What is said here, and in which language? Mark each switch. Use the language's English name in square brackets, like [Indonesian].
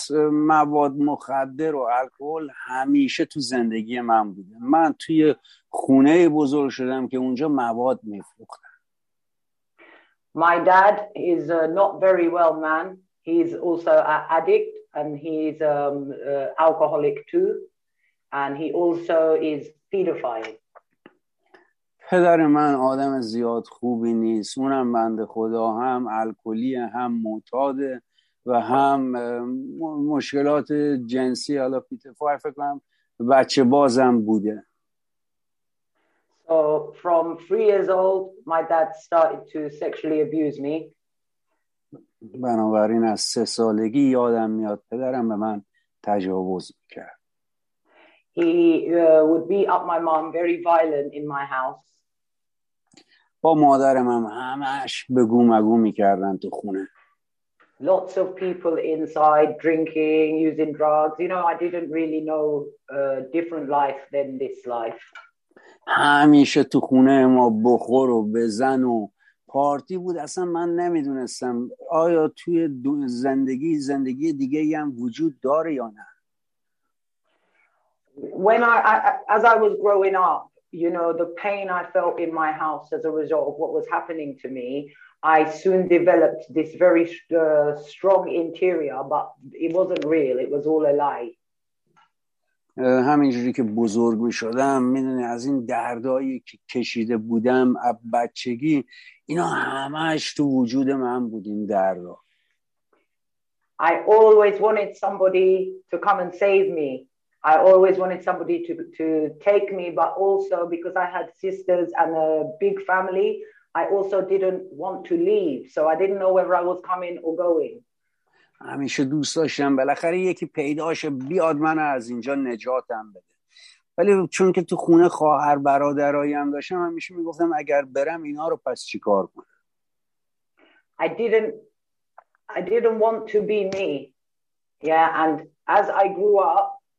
[Persian] مواد مخدر و الکل همیشه تو زندگی من بوده. من توی خونه بزرگ شدم که اونجا مواد میفروختن. [English] My dad is not very well man. He's also an addict and he's alcoholic too. And he also is pedophile. [Persian] پدر من آدم زیاد خوبی نیست. اونم بنده خدا هم الکلیه، هم معتاده و هم مشکلات جنسی، حالا پیتر فایر فکر کنم بچه بازم بوده. [English] So from 3 years old my dad started to sexually abuse me. [Persian] بنابراین از 3 سالگی یادم میاد پدرم به من تجاوز میکرد. [English] He would beat up my mom very violent in my house. [Persian] با مادرم هم همش بگو مگو میکردن تو خونه. [English] Lots of people inside drinking, using drugs. You know, I didn't really know a different life than this life. [Persian] همیشه تو خونه ما بخور و بزن و پارتی بود. اصلا من نمیدونستم آیا توی زندگی دیگه هم وجود داره یا نه. [English] When I was growing up, you know, the pain I felt in my house as a result of what was happening to me, I soon developed this very strong interior, but it wasn't real. It was all a lie. [Persian] همینجوری که بزرگ می شدم، میدونی از این دردهایی که کشیده بودم از بچگی، اینا همش تو وجود من بود، این دردها. [English] I always wanted somebody to come and save me. I always wanted somebody to take me, but also because I had sisters and a big family, I also didn't want to leave, so I didn't know whether I was coming or going. [Persian] همیشه دوست داشتم بالاخره یکی پیدا شه بیاد منو از اینجا نجاتم بده. ولی چون که تو خونه خواهر برادرایی هم داشتم، همیشه میگفتم اگر برم اینا رو پس چیکار کنم. [English] I didn't want to be me. Yeah, and as I grew up,